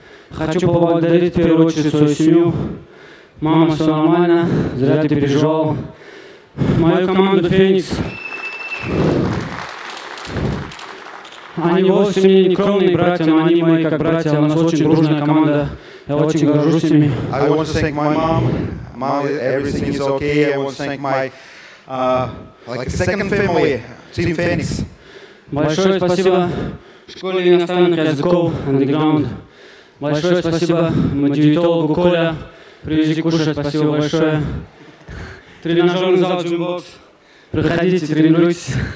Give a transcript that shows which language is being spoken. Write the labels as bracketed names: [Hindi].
[Russian] Хочу поблагодарить в первую очередь свою семью. Мама, все нормально, зря ты переживал. Мою команду «Феникс». Они вовсе не кровные братья, но они мои как братья. У нас очень дружная команда. Я очень горжусь ими. [English] I want to thank my mom. Mom, everything is okay. I want to thank my like second family, Team Phoenix. [Russian] Большое спасибо школе иностранных языков Underground. Большое спасибо мотивологу Коля. Привези кушать, спасибо большое. Тренажерный зал Gymbox. Приходите, тренируйтесь.